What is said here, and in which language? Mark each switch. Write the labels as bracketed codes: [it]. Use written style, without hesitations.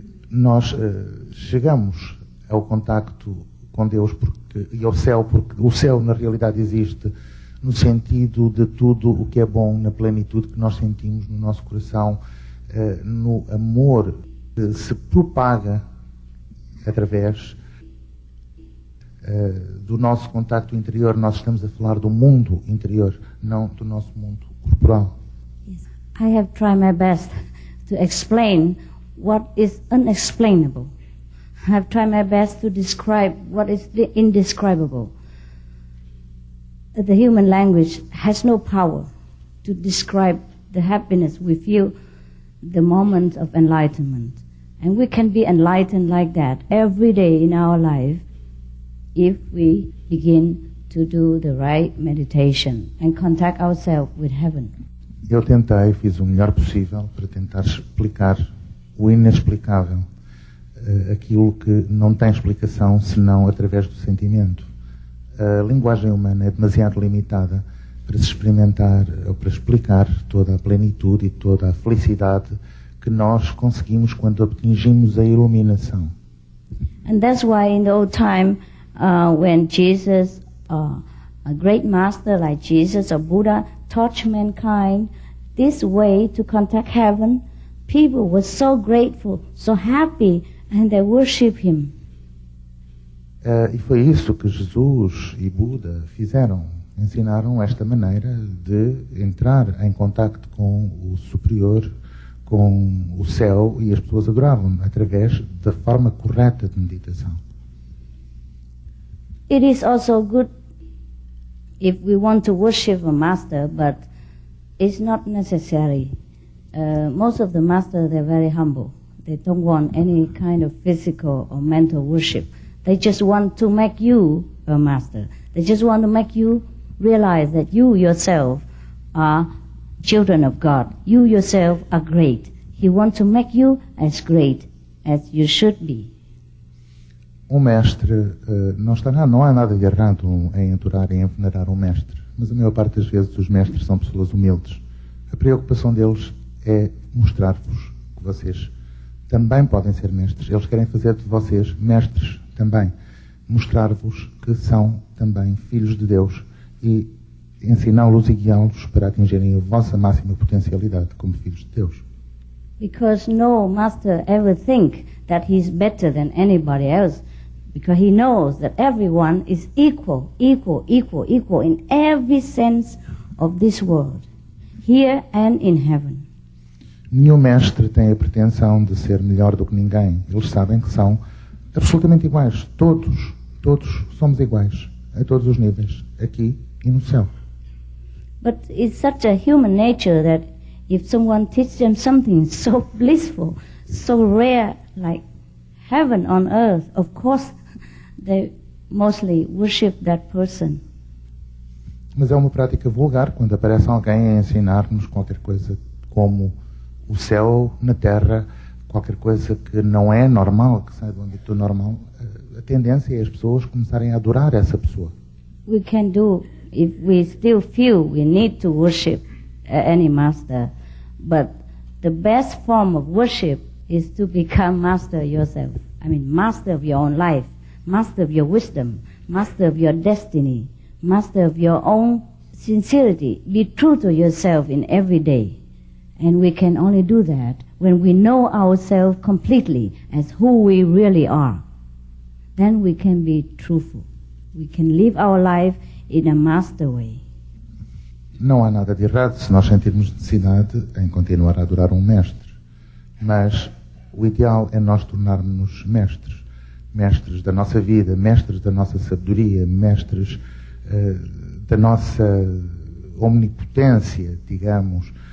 [pt] nós chegamos ao contacto com Deus e ao céu, porque o céu na realidade existe no sentido de tudo o que é bom, na plenitude que nós sentimos no nosso coração, no amor que se propaga através do nosso contacto interior. Nós estamos a falar do mundo interior, não do nosso mundo corporal. [en] I have tried my best to explain what is unexplainable. I have tried my best to describe what is indescribable. The human language has no power to describe the happiness we feel, the moment of enlightenment. And we can be enlightened like that every day in our life if we begin to do the right meditation and contact ourselves with heaven. [pt] Eu tentei, fiz o melhor possível para tentar explicar o inexplicável, aquilo que não tem explicação senão através do sentimento. A linguagem humana é demasiado limitada para se experimentar ou para explicar toda a plenitude e toda a felicidade que nós conseguimos quando atingimos a iluminação. [en] And that's why in the old time, when Jesus, a great master like Jesus or Buddha, taught mankind this way to contact heaven, people were so grateful, so happy, and they worship him. [pt] E foi isso que Jesus e Buda fizeram. Ensinaram esta maneira de entrar em contacto com o superior, com o céu, e as pessoas adoravam através da forma correta de meditação. [en] It is also good if we want to worship a master, but it's not necessary. Most of the masters, they're very humble. They don't want any kind of physical or mental worship. They just want to make you her master. They just want to make you realize that you yourself are children of God. You yourself are great. He wants to make you as great as you should be. [pt] Um mestre, não está nada, não há nada de errado em adorar e em venerar um mestre, mas a maior parte das vezes os mestres são pessoas humildes. A preocupação deles é mostrar-vos que vocês também podem ser mestres. Eles querem fazer de vocês mestres também. Mostrar-vos que são também filhos de Deus e ensiná-los e guiá-los para atingirem a vossa máxima potencialidade como filhos de Deus. [en] Because no master ever think that he's better than anybody else, because he knows that everyone is equal, equal, equal, equal in every sense of this world, here and in heaven. [pt] Nenhum mestre tem a pretensão de ser melhor do que ninguém. Eles sabem que são absolutamente iguais. Todos, todos somos iguais a todos os níveis, aqui e no céu. [en] But it's such a human nature that if someone teaches them something so blissful, so rare, like heaven on earth, of course they mostly worship that person. [pt] Mas é uma prática vulgar quando aparece alguém a ensinar-nos qualquer coisa como o céu na terra, qualquer coisa que não é normal, que sai do âmbito normal. A tendência é as pessoas começarem a adorar essa pessoa. [en] We can do, if we still feel we need to worship any master, but the best form of worship is to become master yourself. I mean, master of your own life, master of your wisdom, master of your destiny, master of your own sincerity. Be true to yourself in every day. And we can only do that when we know ourselves completely as who we really are. Then we can be truthful. We can live our life in a master way. [pt] Não há nada de errado se nós sentirmos necessidade em continuar a adorar um mestre. Mas o ideal é nós tornarmos-nos mestres. Mestres da nossa vida, mestres da nossa sabedoria, mestres da nossa omnipotência, digamos.